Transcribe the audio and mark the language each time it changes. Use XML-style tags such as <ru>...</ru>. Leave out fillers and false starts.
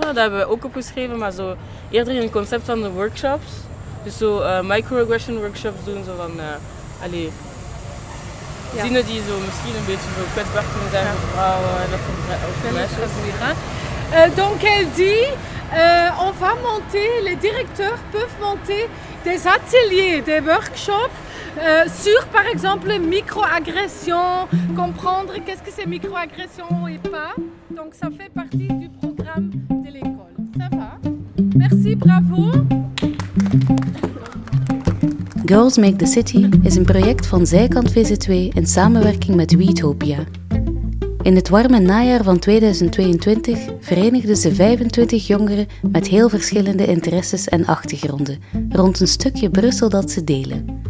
<nl>Dat hebben we ook opgeschreven, maar zo eerder in het concept van de workshops. Dus zo microaggression workshops doen, zo van... Ja. Zinnen die zo misschien een beetje zo kwetsbaar kunnen zijn voor vrouwen en dat voor meisjes.</nl> <fr>Donc elle dit, on va monter, les directeurs peuvent monter des ateliers, des workshops sur par exemple microagression, comprendre qu'est-ce que c'est microagression et pas. Donc ça fait partie du programme de l'école. Ça va? Merci, bravo.</fr> <nl>Girls Make the City is een project van Zijkant VZ2 in samenwerking met Weetopia. In het warme najaar van 2022 verenigden ze 25 jongeren met heel verschillende interesses en achtergronden rond een stukje Brussel dat ze delen.</nl>